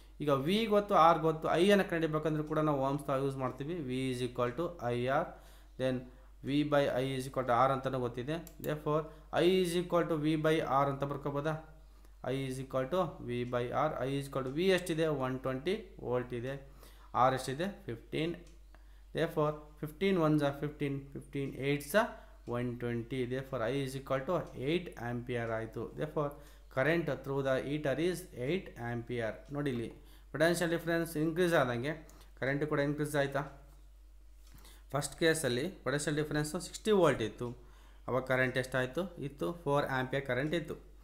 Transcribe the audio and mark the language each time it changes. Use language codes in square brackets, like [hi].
[kn] ಈಗ ವಿ ಗೊತ್ತು, ಆರ್ ಗೊತ್ತು, ಐಯನ್ನು ಕಂಡಿಬೇಕಂದ್ರೆ ಕೂಡ ನಾವು ಓಮ್ಸ್ ಲಾ ಯೂಸ್ ಮಾಡ್ತೀವಿ. [en] V is equal to I R, then V by I is equal to R [kn] ಅಂತಲೂ ಗೊತ್ತಿದೆ. [en] therefore I is equal to V by R [kn] ಅಂತ ಬರ್ಕೋಬೋದಾ. [en] I is equal to V by R, I is equal to V [kn] ಎಷ್ಟಿದೆ, [en] 120 volt [kn] ಇದೆ. R ಎಷ್ಟಿದೆ, 15. [en] Therefore 15 ones are 15, 15 8s are 120. Therefore I is equal to 8 ampere [kn] ಆಯಿತು. [en] Therefore current through the heater is 8 ampere. [kn] ನೋಡಿಲಿ [en] potential difference increase [kn] ಆದಂಗೆ current ಕೂಡ increase ಆಯಿತಾ. First ಕೇಸಲ್ಲಿ potential difference 60 volt ಇತ್ತು, ಅವಾಗ ಕರೆಂಟ್ ಎಷ್ಟಾಯಿತು, ಇತ್ತು 4 ಆಂಪಿಯರ್ ಕರೆಂಟ್ ಇತ್ತು.